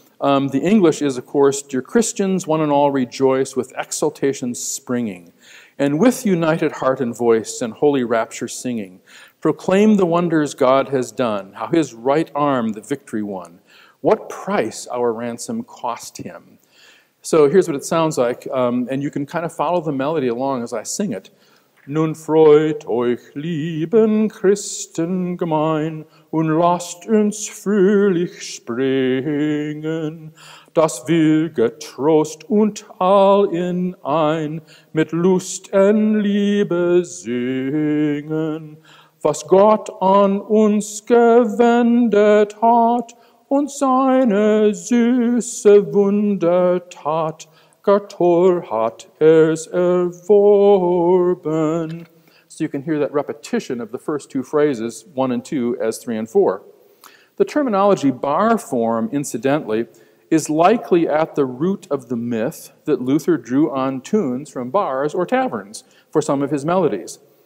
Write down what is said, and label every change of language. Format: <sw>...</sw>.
<en>The English is, of course, Dear Christians, one and all rejoice with exultation springing, and with united heart and voice and holy rapture singing, proclaim the wonders God has done, how his right arm the victory won, what price our ransom cost him. So here's what it sounds like, and you can kind of follow the melody along as I sing it.</en> <de>Nun freut euch, lieben Christen gemein, und lasst uns fröhlich springen. Das will getrost und all in ein mit Lust und Liebe singen. Was Gott an uns gewendet hat, und seine süße Wundertat, gar toll hat es erworben.</de> <en>So you can hear that repetition of the first two phrases, one and two, as three and four. The terminology bar form, incidentally, is likely at the root of the myth that Luther drew on tunes from bars or taverns for some of his melodies.</en>